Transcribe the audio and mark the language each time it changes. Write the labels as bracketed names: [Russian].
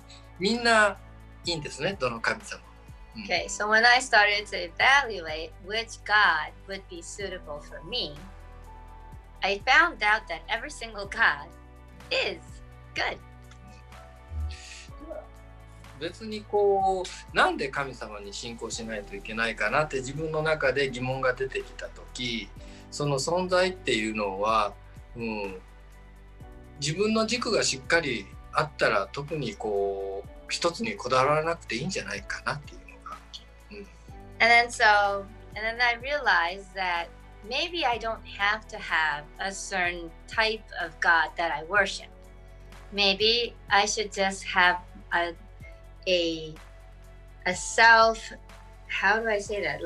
[Japanese] その方向にいっぱい神様がいるんだね。で、その中で、じゃあどの神様がいいのかっていうので自分で、まあ評価しだした時、みんないいんですね、どの神様。 [English] Okay, so when I started to evaluate which God would be suitable for me, I found out that every single God is good. [Japanese] 別にこうなんで神様に信仰しないといけないかなって自分の中で疑問が出てきた時、その存在っていうのは、うん、自分の軸がしっかりあったら特にこう一つにこだわらなくていいんじゃないかなっていうのが、 [English] うん、And then so and then I realized that maybe I don't have to have a certain type of God that I worship. Maybe I should just have a self, how do I say that?